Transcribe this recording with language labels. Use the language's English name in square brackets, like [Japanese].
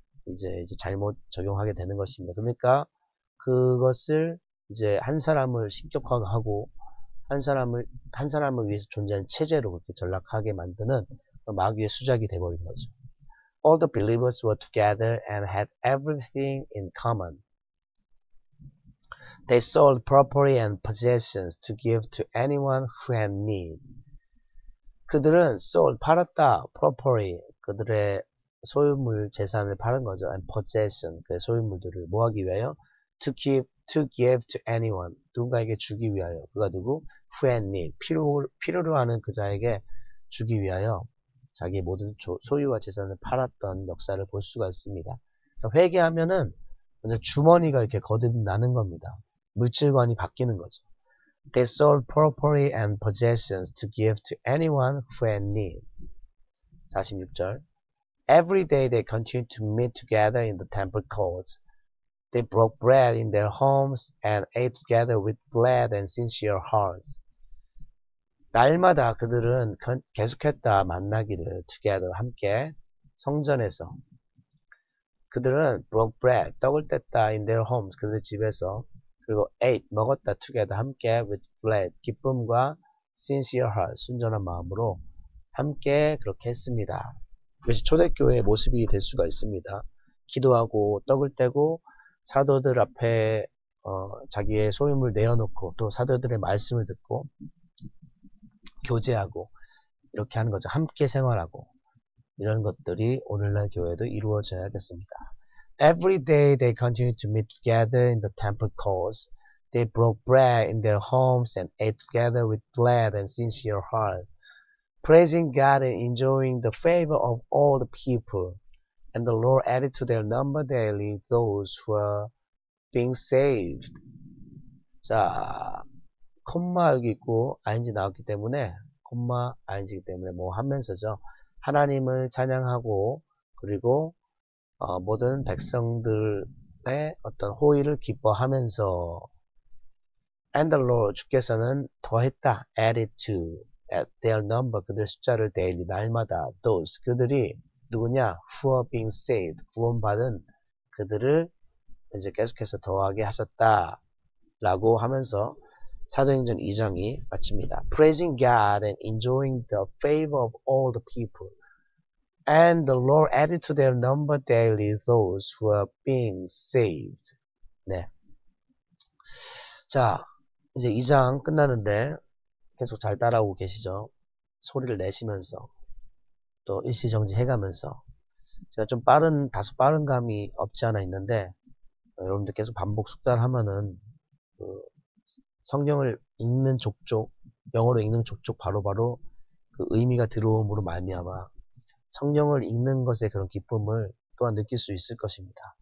[Korean] 이제 잘못 적용하게 되는 것입니다. 그러니까 그것을 이제 한 사람을 신격화하고 한 사람을 위해서 존재하는 체제로 그렇게 전락하게 만드는 마귀의 수작이 되어버린 거죠. [English] All the believers were together and had everything in common. They sold property and possessions to give to anyone who had need. [Korean] 그들은 sold, 팔았다, [English] property, [Korean] 그들의 소유물, 재산을 파는 거죠. [English] And possession, [Korean] 그 소유물들을 뭐 하기 위하여? [English] To give to anyone, [Korean] 누군가에게 주기 위하여. 그가 누구? [English] Who had need, [Korean] 필요로 하는 그 자에게 주기 위하여 자기의 모든 소유와 재산을 팔았던 역사를 볼 수가 있습니다. 그러니까 회개하면은 먼저 주머니가 이렇게 거듭나는 겁니다. 물질관이 바뀌는 거죠. [English] They sold property and possessions to give to anyone who had need. [Korean] 46절. [English] Every day they continued to meet together in the temple courts. They broke bread in their homes and ate together with glad and sincere hearts. [Korean] 날마다 그들은 계속했다 만나기를 together 함께 성전에서 그들은 [English] broke bread [Korean] 떡을 뗐다 [English] in their homes [Korean] 그들 집에서 그리고 ate 먹었다 together 함께 [English] with glad [Korean] 기쁨과 [English] sincere heart [Korean] 순전한 마음으로 함께 그렇게 했습니다. 이것이 초대교회의 모습이 될 수가 있습니다. 기도하고 떡을 떼고 사도들 앞에 자기의 소유물 내어놓고 또 사도들의 말씀을 듣고 교제하고 이렇게 하는 거죠. 함께 생활하고 이런 것들이 오늘날 교회도 이루어져야겠습니다. [English] Every day they continued to meet together in the temple courts. They broke bread in their homes and ate together with glad and sincere heart, praising God and enjoying the favor of all the people. And the Lord added to their number daily those who were being saved. [Korean] 자, 콤마 여기 있고 ing 나왔기 때문에 콤마 ing이기 때문에 뭐 하면서죠. 하나님을 찬양하고 그리고 모든 백성들의 어떤 호의를 기뻐하면서 [English] And the Lord [Korean] 주께서는 더했다. [English] added to at their number [Korean] 그들 숫자를 [English] daily [Korean] 날마다 [English] those [Korean] 그들이 누구냐? [English] Who are being saved? [Korean] 구원받은 그들을 이제 계속해서 더하게 하셨다. 라고 하면서 사도행전 2장이 마칩니다. [English] Praising God and enjoying the favor of all the people. And the Lord added to their number daily those who are being saved. [Korean] 네. 자, 이제 2장 끝나는데 계속 잘 따라오고 계시죠? 소리를 내시면서 또 일시정지 해가면서 제가 좀 빠른, 다소 빠른 감이 없지 않아 있는데, 여러분들 계속 반복 숙달하면은, 성경을 읽는 족족, 영어로 읽는 족족 바로바로 그 의미가 들어옴으로 말미암아 성경을 읽는 것의 그런 기쁨을 또한 느낄 수 있을 것입니다.